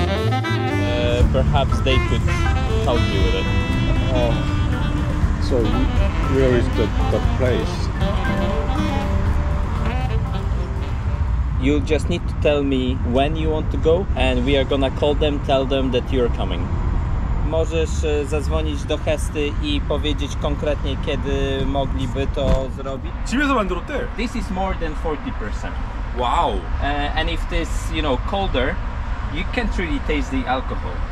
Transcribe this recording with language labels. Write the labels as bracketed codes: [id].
[en] Perhaps they could help you with it. Oh, so where is the place? You just need to tell me when you want to go and we are gonna call them, tell them that you're coming. [pl] Możesz zadzwonić do Hesty i powiedzieć konkretnie, kiedy mogliby to zrobić. [ko] 집에서 만들었대. [en] This is more than 40%. Wow. And if this, you know, colder, you can't really taste the alcohol.